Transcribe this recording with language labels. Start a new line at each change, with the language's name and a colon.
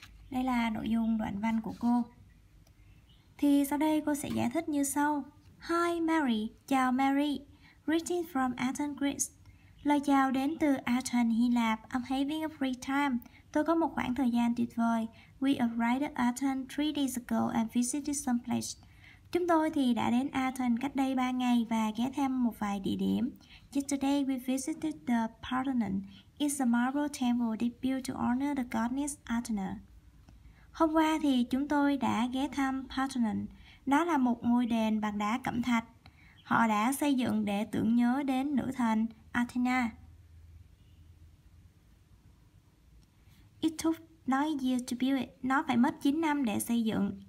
Vietnamese: Đây là nội dung đoạn văn của cô. Thì sau đây cô sẽ giải thích như sau.
English: Hi Mary,
Vietnamese: chào Mary.
English: Greetings from Athens, Greece.
Vietnamese: Lời chào đến từ Athens, Hy Lạp.
English: I'm having a free time.
Vietnamese: Tôi có một khoảng thời gian tuyệt vời.
English: We arrived at Athens 3 days ago and visited some place.
Vietnamese: Chúng tôi thì đã đến Athens cách đây 3 ngày và ghé thăm một vài địa điểm.
English: Yesterday we visited the Parthenon. It's a marble temple they built to honor the goddess Athena.
Vietnamese: Hôm qua thì chúng tôi đã ghé thăm Parthenon. Nó là một ngôi đền bằng đá cẩm thạch. Họ đã xây dựng để tưởng nhớ đến nữ thần Athena.
English: It took 9 years to build it.
Vietnamese: Nó phải mất 9 năm để xây dựng.